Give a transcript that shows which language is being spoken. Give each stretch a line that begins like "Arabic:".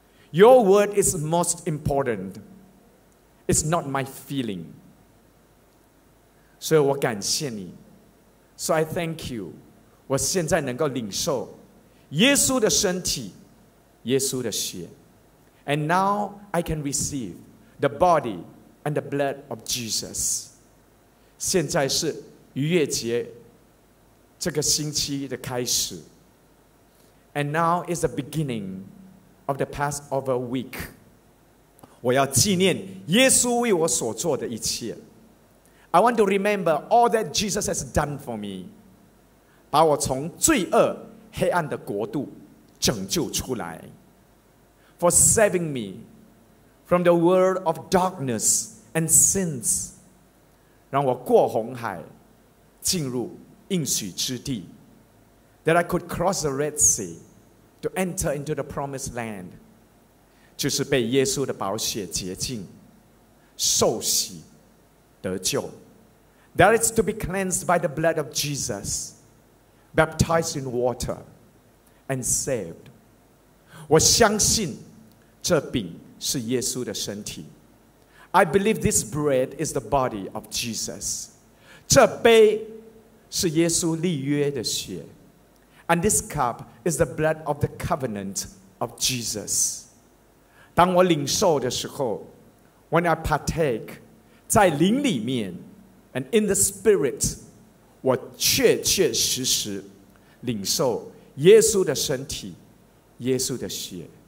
English: Your word is most important. It's not my feeling.
Chinese: 所以我感谢你。
English: So I thank you.
Chinese: 我现在能够领受耶稣的身体，耶稣的血。
English: And now I can receive the body and the blood of Jesus.
Chinese: 现在是逾越节这个星期的开始。
English: And now is the beginning of the Passover week.
Chinese: 我要纪念耶稣为我所做的一切。
English: I want to remember all that Jesus has done for me.
Chinese: 把我从罪恶黑暗的国度拯救出来。
English: For saving me from the world of darkness and sins.
Chinese: 让我过红海进入应许之地。
English: That I could cross the Red Sea to enter into the promised land.
Chinese: 就是被耶稣的宝血洁净，受洗得救。
English: That is to be cleansed by the blood of Jesus, baptized in water and saved.
Chinese: 我相信这饼是耶稣的身体。
English: I believe this bread is the body of Jesus.
Chinese: 这杯是耶稣立约的血。
English: And this cup is the blood of the covenant of Jesus.
Chinese: 当我领受的时候，
English: When I partake,
Chinese: 在灵里面
English: and in the spirit,
Chinese: 我确确实实领受耶稣的身体，耶稣的血。